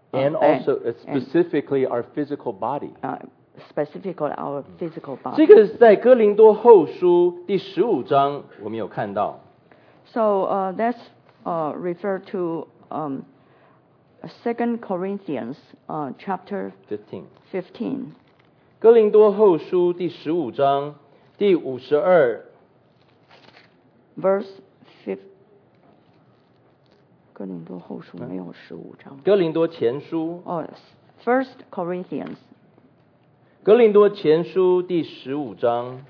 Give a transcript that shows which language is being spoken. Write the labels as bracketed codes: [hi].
[en] and also and, specifically and, our physical body specifically our physical body [zh] 这个是在哥林多后书第十五章我们有看到 [en] so that's refer to Second Corinthians chapter 15 [zh] 哥林多后书第十五章第五十二 [en] verse 15 [zh] 哥林多后书没有十五章。哥林多前书。 [en] First Corinthians。 [zh] 哥林多前书第十五章。